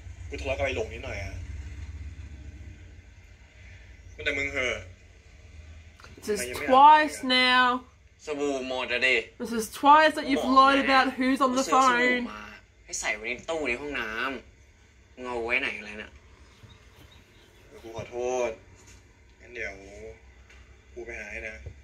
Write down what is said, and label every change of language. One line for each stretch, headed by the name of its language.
Thai: กูทะเลาะกับไอ้หลงนิดหน่อยอ่ะมันแต่มึงเหอะ
English: This is twice now.
Thai: สบู่หมดอ่ะดิ
English: This is twice that you've lied about who's on the phone.
Thai: ให้ใส่ไว้ในตู้ในห้องน้ำเงาไว้ไหนอะไรเนี่ยกูขอโทษงั้นเดี๋ยวกูไปหาให้นะ